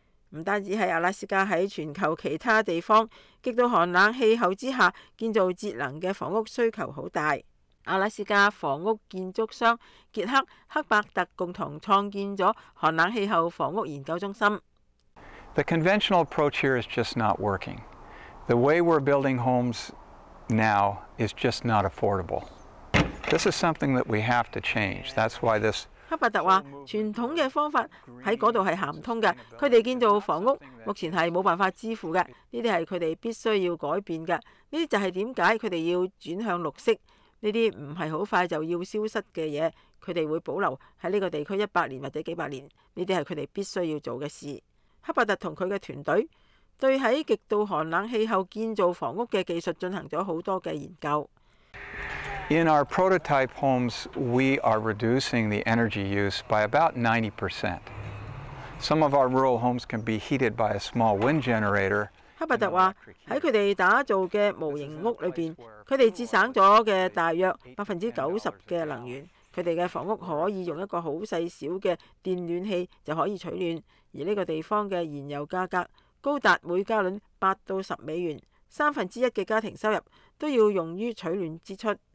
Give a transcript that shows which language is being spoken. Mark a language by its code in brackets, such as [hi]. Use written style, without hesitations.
[zh] 不單止在阿拉斯加，在全球其他地方極度寒冷氣候之下，建造節能的房屋需求很大。阿拉斯加房屋建築商傑克·克伯特共同創建了寒冷氣候房屋研究中心。 [en] The conventional approach here is just not working. The way we're building homes now is just not affordable. This is something that we have to change. That's why this [zh] 克伯特說，傳統的方法在那裡是行不通的，他們建造房屋目前是沒辦法支付的，這些是他們必須要改變的，這就是為什麼他們要轉向綠色，這些不是很快就要消失的東西，他們會保留在這個地區100年或者幾百年，這些是他們必須要做的事。克伯特和他的團隊對在極度寒冷氣候建造房屋的技術進行了很多的研究。 [en] In our prototype homes, we are reducing the energy use by about 90%. Some of our rural homes can be heated by a small wind generator. [zh] 克伯特說，在他們打造的模型屋裡面，他們節省了的大約 90% 的能源。他們的房屋可以用一個很細小的電暖器就可以取暖，而這個地方的燃油價格高達每加倫$8-$10，三分之一的家庭收入都要用於取暖支出。